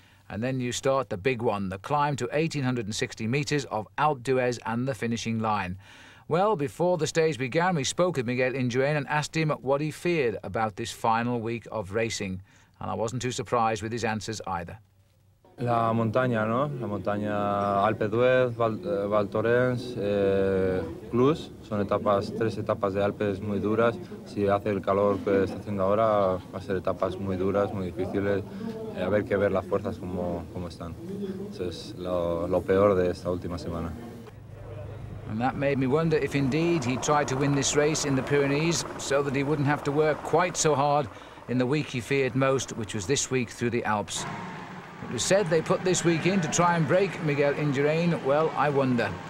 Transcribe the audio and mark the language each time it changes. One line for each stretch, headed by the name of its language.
English: And then you start the big one, the climb to 1,860 metres of Alpe d'Huez and the finishing line. Well, before the stage began, we spoke with Miguel Induráin and asked him what he feared about this final week of racing. And I wasn't too surprised with his answers either.
Spanish: La montaña, ¿no? La montaña Alpe d'Huez, Val Thorens, Clus, son etapas, tres etapas de Alpes muy duras. Si hace el calor que está haciendo ahora, va a ser etapas muy duras, muy difíciles. Haber que ver las fuerzas cómo están. Eso es lo peor de esta última semana.
English: And that made me wonder if indeed he tried to win this race in the Pyrenees so that he wouldn't have to work quite so hard in the week he feared most, which was this week through the Alps. It was said they put this week in to try and break Miguel Induráin. Well, I wonder.